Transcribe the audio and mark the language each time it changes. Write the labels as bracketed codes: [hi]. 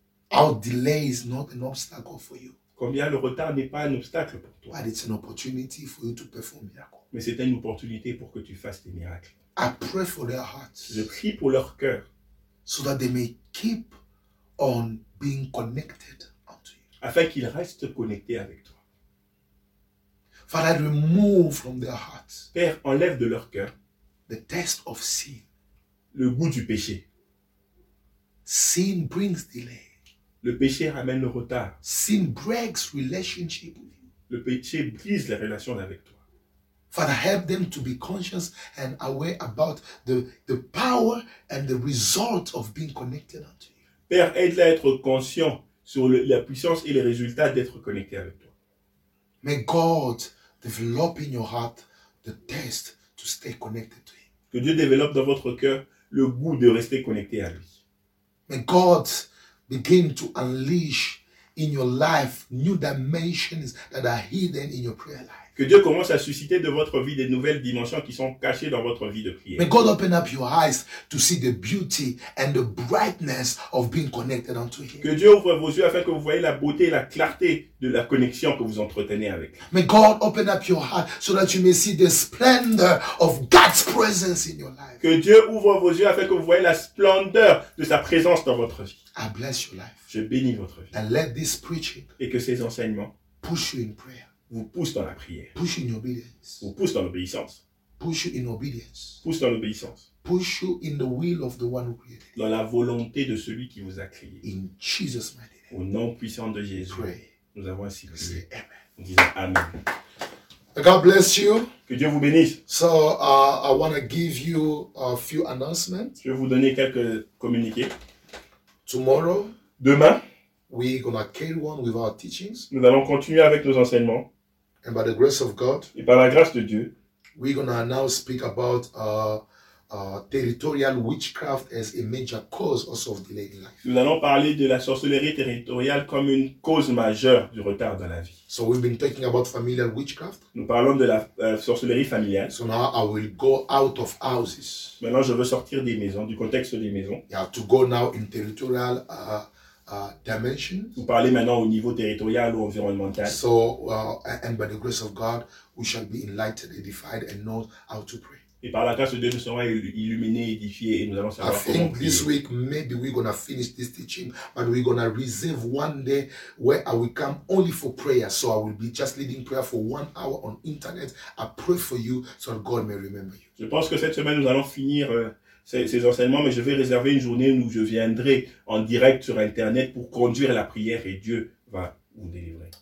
[en] How delay is not an obstacle for you. [fr] Combien le retard n'est pas un obstacle pour toi. [en] But it's an opportunity for you to perform miracles. [fr] Mais c'est une opportunité pour que tu fasses des miracles. [en] I pray for their hearts. [fr] Je prie pour leur cœur. [en] So that they may keep on being connected unto you. [fr] Afin qu'ils restent connectés avec toi. [en] Father, remove from their hearts. [fr] Père, enlève de leur cœur. [en] The taste of sin. [fr] Le goût du péché. [en] Sin brings delay. [fr] Le péché ramène le retard. [en] Sin breaks relationship with you. [fr] Le péché brise les relations avec toi. [en] Father, help them to be conscious and aware about the power and the result of being connected unto you. [fr] Père, aide-les à être conscients sur la puissance et les résultats d'être connectés avec toi. [en] May God develop in your heart the taste to stay connected to Him. [fr] Que Dieu développe dans votre cœur le goût de rester connecté à lui. [en] May God begin to unleash in your life, new dimensions that are hidden in your prayer life. [fr] Que Dieu commence à susciter de votre vie des nouvelles dimensions qui sont cachées dans votre vie de prière. [en] May God open up your eyes to see the beauty and the brightness of being connected unto Him. [fr] Que Dieu ouvre vos yeux afin que vous voyez la beauté et la clarté de la connexion que vous entretenez avec. [en] May God open up your heart so that you may see the splendor of God's presence in your life. [fr] Que Dieu ouvre vos yeux afin que vous voyez la splendeur de sa présence dans votre vie. [en] I bless your life. [fr] Je bénis votre vie. [en] And let this preaching [fr] et que ces enseignements [en] push you in prayer. [fr] Vous pousse dans la prière. [en] Push in obedience. [fr] Vous pousse dans l'obéissance. [en] Push in obedience. [fr] Pousse dans l'obéissance. [en] Push you in the will of the one who created. [fr] Dans la volonté de celui qui vous a créé. [en] In Jesus' name. [fr] Au nom puissant de Jésus. [en] Pray. [fr] Nous avons ainsi [en] prié. Say amen. [fr] Nous disons amen. [en] God bless you. [fr] Que Dieu vous bénisse. [en] So I want to give you a few announcements. [fr] Je vais vous donner quelques communiqués. [en] Tomorrow. [fr] Demain. [en] We're gonna carry on with our teachings. [fr] Nous allons continuer avec nos enseignements. [en] And by the grace of God, [fr] et par la grâce de Dieu, [en] we're gonna now speak about territorial witchcraft as a major cause also of delay in life. [fr] Nous allons parler de la sorcellerie territoriale comme une cause majeure du retard dans la vie. [en] So we've been talking about familial witchcraft. [fr] Nous parlons de la sorcellerie familiale. [en] So now I will go out of houses. [fr] Maintenant, je veux sortir des maisons, du contexte des maisons. [en] Yeah, to go now in territorial. Dimension. [fr] Vous parlez maintenant au niveau territorial ou environnemental. [en] So, and by the grace of God, we shall be enlightened, edified, and know how to pray. [fr] Et par la grâce de Dieu, nous serons illuminés, édifiés, et nous allons savoir comment prier. [en] I think this week maybe we're gonna finish this teaching, but we're gonna reserve one day where I will come only for prayer. So I will be just leading prayer for 1 hour on internet. I pray for you so that God may remember you. [fr] Je pense que cette semaine nous allons finir. Ces enseignements, mais je vais réserver une journée où je viendrai en direct sur Internet pour conduire la prière et Dieu va vous délivrer.